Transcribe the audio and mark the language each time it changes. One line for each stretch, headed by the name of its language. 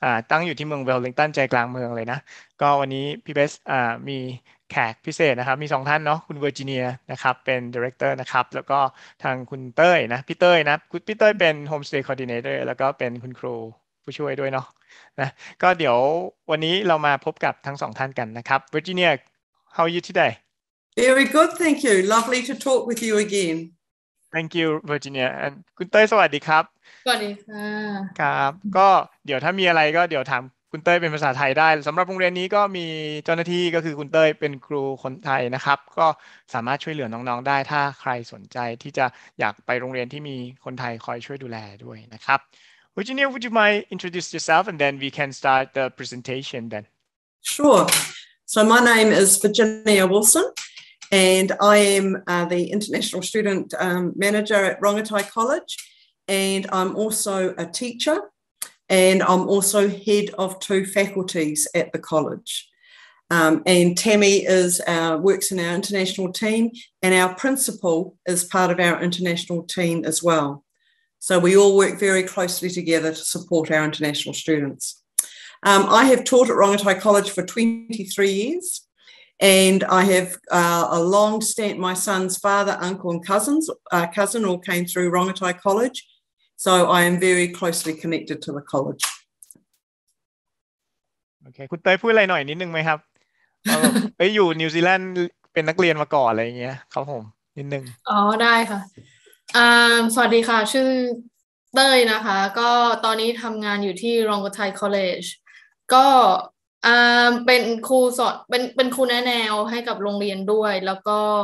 Thai: ตั้งอยู่ที่เมืองเวลลิงตันใจกลางเมืองเลยนะก็วันนี้พี่เบสมีแขกพิเศษนะครับมี2ท่านเนาะคุณเวอร์จิเนียนะครับเป็นดีเรคเตอร์นะครับแล้วก็ทางคุณเต้ยนะพี่เต้ยนะคุณพี่เต้ยเป็นโฮมสเตย์คอร์ดิเนเตอร์แล้วก็เป็นคุณครูผู้ช่วยด้วยเนาะนะก็เดี๋ยววันนี้เรามาพบกับทั้งสองท่านกันนะครับ
English: Virginia how are you today very good thank you lovely to talk with you again thank you Virginia and
Thai: คุณเต้ยสวัสดีครับ สวัสดีค่ ะ ครับก็เดี๋ยวถ้ามีอะไรก็เดี๋ยวถามคุณเต้ยเป็นภาษาไทยได้สำหรับโรงเรียนนี้ก็มีเจ้าหน้าที่ก็คือคุณเต้ยเป็นครูคนไทยนะครับก็สามารถช่วยเหลือน้องๆได้ถ้าใครสนใจที่จะอยากไปโรงเรียนที่มีคนไทยคอยช่วยดูแลด้วยนะครับ
English: Virginia, would you mind introduce yourself and then we can start the presentation then? Sure. So my name is Virginia Wilson and I am the International Student Manager at Rongotai College and I'm also a teacher and I'm also head of two faculties at the college. And Tammy is our, works in our international team, and our principal is part of our international team as well. So we all work very closely together to support our international students. I have taught at Rangitai College for 23 years, and I have a long stint. My son's father, uncle and cousins, cousin all came through Rangitai College, so I am very closely connected to the college. Okay, could I put a little bit more?
Thai: เอ้ยอยู่นิวซีแลนด์เป็นนักเรียนมาก่อนอะไรเงี้ยครับผมนิดนึง อ๋อได้ค่ะสวัสดีค่ะชื่อเต้ยนะคะก็ตอนนี้ทำงานอยู่ที่ Rangitai College ก็เป็นครูสอนเป็นครูแนะแนวให้กับโรงเรียนด้วยแล้วก็